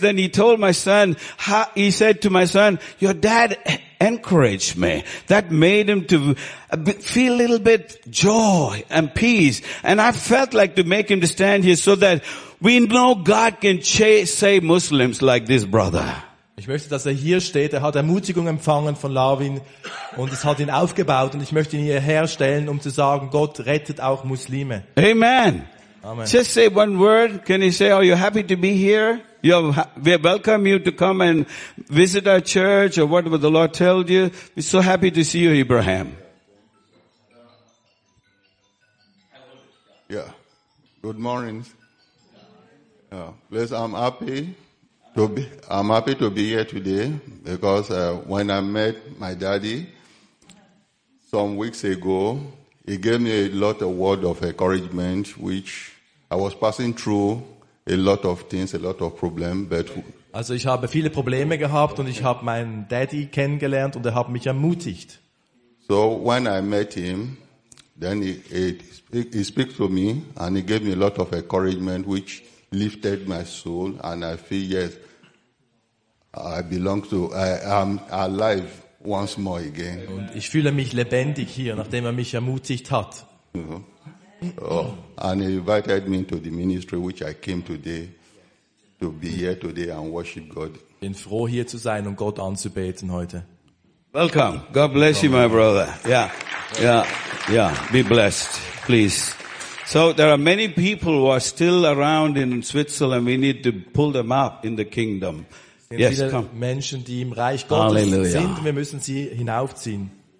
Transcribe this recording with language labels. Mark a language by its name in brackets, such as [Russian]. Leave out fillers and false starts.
[English] Then he told my son, he said to my son, "Your dad encouraged me." That made him to feel a little bit joy and peace. And I felt like to make him to stand here so that we know God can save Muslims like this brother. [German] Ich möchte, dass er hier steht. Er hat Ermutigung empfangen von Lawin und es hat ihn aufgebaut. Und ich möchte ihn hier herstellen, um zu sagen, Gott rettet auch Muslime. Amen. Amen. [English] Just say one word. Can you say, "Are you happy to be here? We welcome you to come and visit our church or whatever the Lord told you. We're so happy to see you, Abraham." Yeah. Good morning. Please, I'm happy to be here today because when I met my daddy some weeks ago, he gave me a lot of word of encouragement, which I was passing through a lot of things, a lot of problems, but [German] also ich habe viele Probleme gehabt und ich habe meinen Daddy kennengelernt und er hat mich ermutigt. [English] So when I met him, then he speaks to me and he gave me a lot of encouragement, which lifted my soul, and I feel, yes, I belong to, I am alive once more again. [German] Und ich fühle mich lebendig hier, nachdem er mich ermutigt hat. [English] And he invited me into the ministry, which I came today, to be here today and worship God. [German] bin froh hier zu sein und Gott anzubeten heute. [English] Welcome. God bless you, my brother. Yeah. Yeah. Yeah. Be blessed, please. So there are many people who are still around in Switzerland. We need to pull them up in the kingdom. Yes, come. [German] Menschen, die im Reich Gottes sind, wir müssen sie hinaufziehen.